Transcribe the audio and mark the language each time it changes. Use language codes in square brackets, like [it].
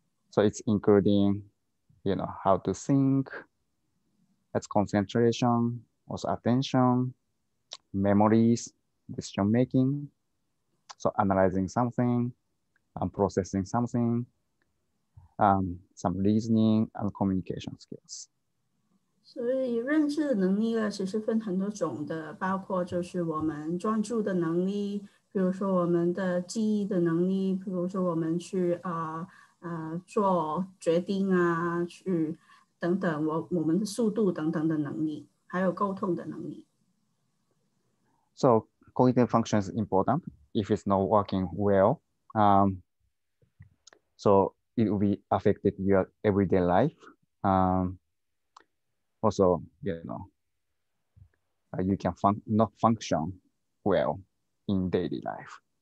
[en] So it's including, you know, how to think, that's concentration, also attention, memories, decision making. So analyzing something and processing something, some reasoning and communication skills. [zh] 所以认知能力呢，其实分很多种的，包括就是我们专注的能力，比如说我们的记忆的能力，比如说我们去做决定啊，去等等我们的速度等等的能力，还有沟通的能力。 [en] So cognitive function is important. If it's not working well, so it will be affected your everyday life. Also, you know, you can not function well in daily life.